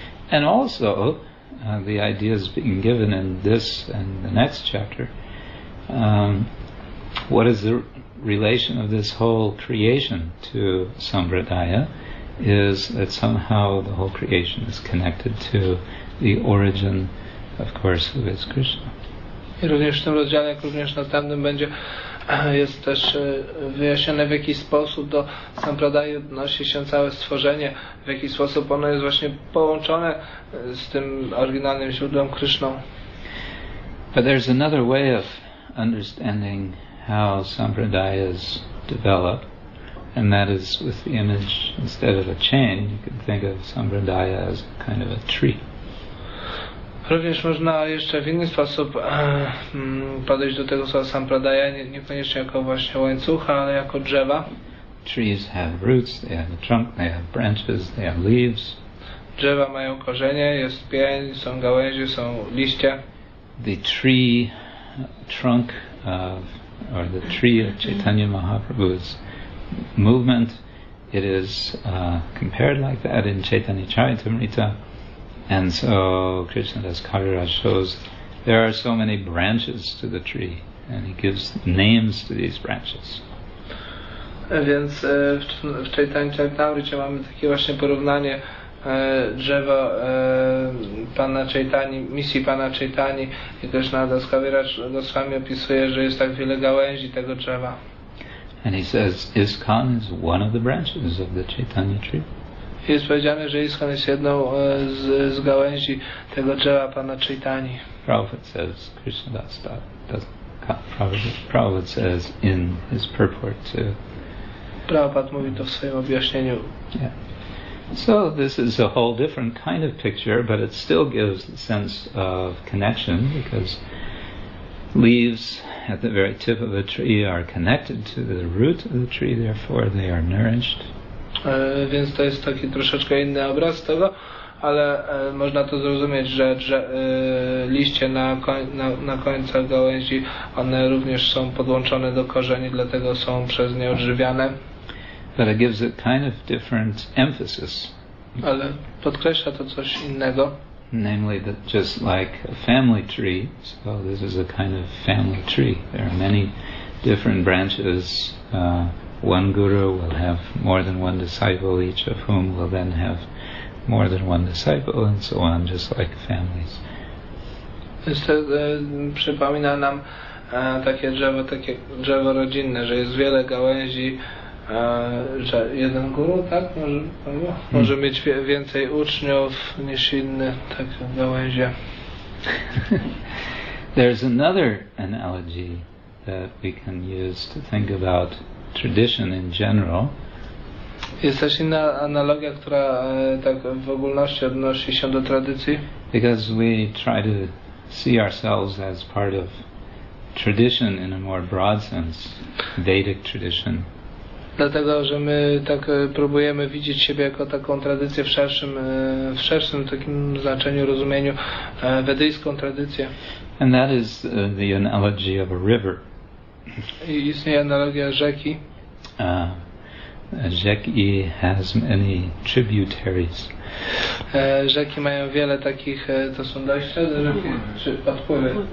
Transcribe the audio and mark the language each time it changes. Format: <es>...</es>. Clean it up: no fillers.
<en>And also the ideas being given in this and the next chapter, what is the relation of this whole creation to Sampradaya is that somehow the whole creation is connected to the origin, of course, who is Krishna.</en> <pl>I również w tym rozdziale, jak również następnym będzie, jest też wyjaśnione, w jaki sposób do Sampradaya odnosi się całe stworzenie, w jaki sposób ono jest właśnie połączone z tym oryginalnym źródłem Krishną.</pl> <en>But there's another way of understanding how Sampradaya is developed, and that is with the image, instead of a chain, you can think of Sampradaya as kind of a tree.</en> <pl>Również można jeszcze w inny sposób podejść do tego słowa Sampradaya, niekoniecznie jako właśnie łańcucha, ale jako drzewa.</pl> <en>Trees have roots, they have a trunk, they have branches, they have leaves.</en> <pl>Drzewa mają korzenie, jest pień, są gałęzie, są liście.</pl> <en>The tree trunk of or the tree of Chaitanya Mahaprabhu's movement, it is compared like that in Chaitanya Charitamrita. And so Krishna Das Kaviraj shows there are so many branches to the tree, and he gives names to these branches.</en> <pl>Więc w Chaitanya Charitamrita mamy takie właśnie porównanie drzewa Pana Chaitani, misji Pana Chaitani, i Krishna Das Kaviraj Goswami opisuje, że jest tak wiele gałęzi tego drzewa.</pl> <en>And he says ISKCON is one of the branches of the Chaitanya tree.</en> <pl>Jest powiedziane, że ISKCON jest jedną z gałęzi tego drzewa Pana Chaitani.</pl> <en>Prabhupada says Krishna Das Prabhupada says in his purport to</en> <pl>Prabhupada mówi to w swoim objaśnieniu.</pl> <en>Yeah. So this is a whole different kind of picture, but it still gives the sense of connection, because leaves at the very tip of a tree are connected to the root of the tree, therefore they are nourished.</en> <pl>Więc to jest taki troszeczkę inny obraz tego, ale można to zrozumieć, że liście na końcach gałęzi, one również są podłączone do korzeni, dlatego są przez nie odżywiane.</pl> <en>But it gives a kind of different emphasis.</en> <pl>Ale podkreśla to coś innego.</pl> <en>Namely, that just like a family tree, so this is a kind of family tree. There are many different branches. One guru will have more than one disciple, each of whom will then have more than one disciple, and so on, just like families.</en> <pl>To przypomina nam takie drzewo, rodzinne, że jest wiele gałęzi. Że jeden guru, tak? Może mieć więcej uczniów niż inny, tak, gałęzie.</pl> <en>There's another analogy that we can use to think about tradition in general.</en> <pl>Jest też inna analogia, która tak w ogólności odnosi się do tradycji.</pl> <en>Because we try to see ourselves as part of tradition in a more broad sense, Vedic tradition.</en> <pl>Dlatego, że my tak próbujemy widzieć siebie jako taką tradycję w szerszym takim znaczeniu, rozumieniu, wedyjską tradycję.</pl> <en>And that is the analogy of a river.</en> <pl>I istnieje analogia rzeki. Rzeki</pl> <en>has many tributaries.</en> <pl>Rzeki mają wiele takich, to są dojścia, odpływy.</pl>